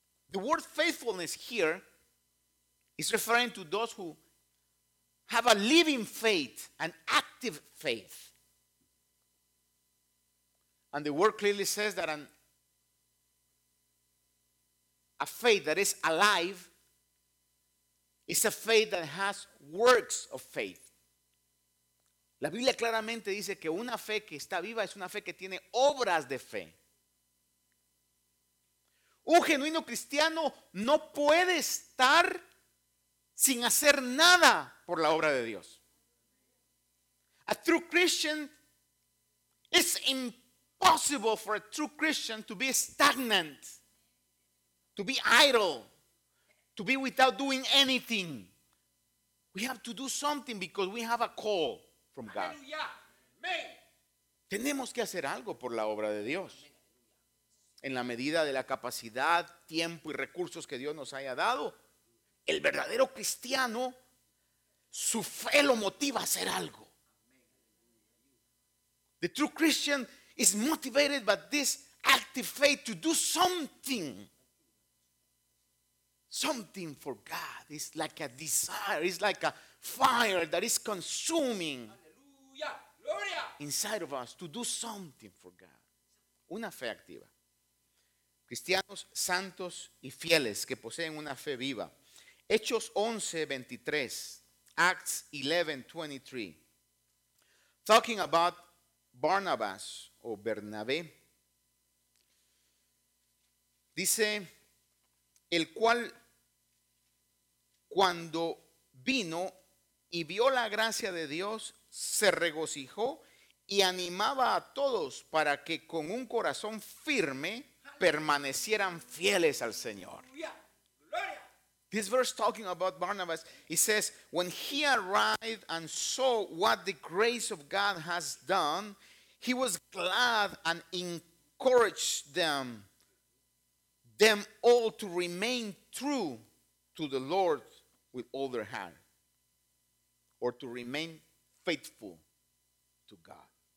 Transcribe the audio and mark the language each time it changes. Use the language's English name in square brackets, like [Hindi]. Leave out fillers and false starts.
[English] The word faithfulness here is referring to those who have a living faith, an active faith. And the word clearly says that a faith that is alive is a faith that has works of faith. [Spanish] La Biblia claramente dice que una fe que está viva es una fe que tiene obras de fe. Un genuino cristiano no puede estar sin hacer nada por la obra de Dios. [English] A true Christian, it's impossible for a true Christian to be stagnant, to be idle, to be without doing anything. We have to do something because we have a call from God. Amen. [Spanish] Tenemos que hacer algo por la obra de Dios. En la medida de la capacidad, tiempo y recursos que Dios nos haya dado, el verdadero cristiano, su fe lo motiva a hacer algo. [English] The true Christian is motivated by this active faith to do something. Something for God. It's like a desire. It's like a fire that is consuming inside of us to do something for God. [Spanish] Una fe activa. Cristianos santos y fieles que poseen una fe viva. Hechos 11:23. [English] Acts 11:23. Talking about Barnabas o Bernabé. [Spanish] Dice, el cual cuando vino y vio la gracia de Dios, se regocijó y animaba a todos para que con un corazón firme permanecieran fieles al Señor. [English] This verse talking about Barnabas, he says, when he arrived and saw what the grace of God has done, he was glad and encouraged them all to remain true to the Lord with all their heart, or to remain faithful to God.